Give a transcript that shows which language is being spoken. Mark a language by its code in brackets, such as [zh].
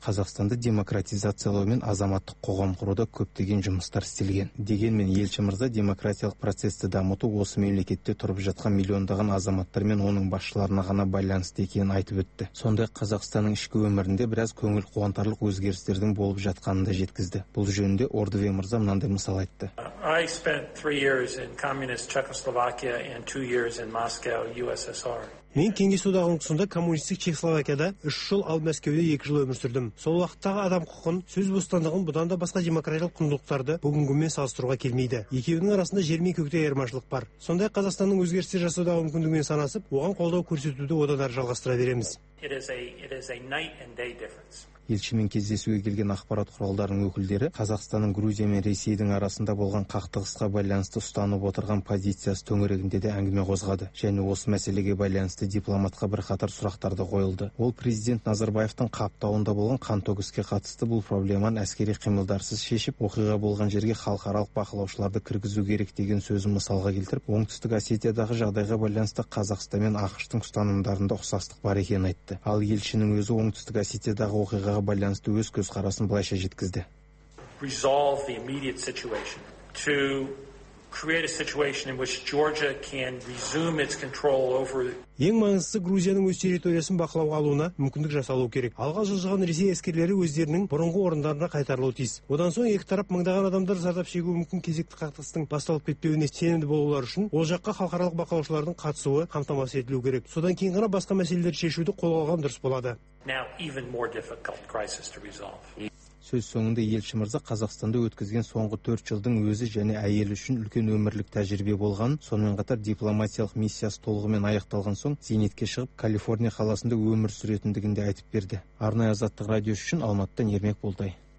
[kk] Қазақстанды демократизациялау мен азаматтық қоғам құруда көптеген жұмыстар істелген. Дегенмен елші мырза демократиялық процесті дамыту осы мемлекетте тұрып жатқан миллиондаған азаматтар мен оның басшыларына ғана байланысты екенін айтып өтті. Сондай Қазақстанның ішкі өмірінде біраз көңіл қуантарлық өзгерістердің болып жатқанын да жеткізді. Бұл жөнінде Ордвей мырза мынандай мысал айтты. [en] I spent 3 years in communist Czechoslovakia and 2 years in Moscow, USSR. [kk] Мен кеңес одағының тұсында коммунистік Чехословакияда 3 жыл, ал Мәскеуде 2 жыл өмір сүрдім. Сол уақыттағы адам құқын, сөз бостандығын бұдан да басқа демократиялық құндылықтарды бүгінгімен салыстыруға келмейді. Екеуінің арасында жер мен көктей айырмашылық бар. Сондай Қазақстанның өзгерістер жасаудағы мүмкіндігімен санасып, оған қолдау көрсетуді одан әрі жалғастыра береміз. [en] It is a night and day difference. [kk] Елшімен кездесуге келген ақпарат құралдарының өкілдері Қазақстанның Грузия мен Ресейдің арасында болған қақтығысқа байланысты ұстанып отырған позициясы төңірегінде де әңгіме қозғады. Және осы мәселеге байланысты дипломатқа бірқатар сұрақтар да қойылды. Ол президент Назарбаевтың қаптауында болған қантөгіске қатысты бұл проблеманы әскери қимылдарсыз шешіп, оқиға болған жерге халықаралық бақылаушыларды кіргізу керек деген сөзін мысалға келтіріп, оңтүстік Осетиядағы жағдайға байланысты Қазақстан мен Ақштың ұстанымдарында ұқсастық бар екенін айтты. Ал елшінің өзі оңтүстік Осетиядағы оқиға байланысты өз көзқарасын былайша жеткізді. [en] Resolve the immediate situation to create a situation in which Georgia can resume its control over. [kk] Ең маңыздысы Грузияның өз территориясын бақылауға алуына мүмкіндік жасалуы керек. Алға жылжыған Ресей әскерлері өздерінің бұрынғы орындарына қайтарылуы тиіс. Одан соң екі тарап мыңдаған адамдар зардап шегуі мүмкін кезекті қақтығыстың басталып кетпеуіне сенімді болулары үшін ол жаққа халықаралық бақылаушылардың қатысуы қамтамасыз етілуі керек. Содан кейін ғана басқа мәселелерді шешуді қолға алған дұрыс болады. [en] Now even more difficult crisis to resolve. [kk] Сөз соңында елші мырза Қазақстанда өткізген соңғы 4 жылдың өзі және әйелі үшін үлкен өмірлік тәжірибе болған, сонымен қатар дипломатиялық миссиясы толығымен аяқталған соң зейнетке шығып Калифорния қаласында өмір сүретіндігін де айтып берді. Арнай Азаттық радиосы үшін Алматыдан Ермек Болтай.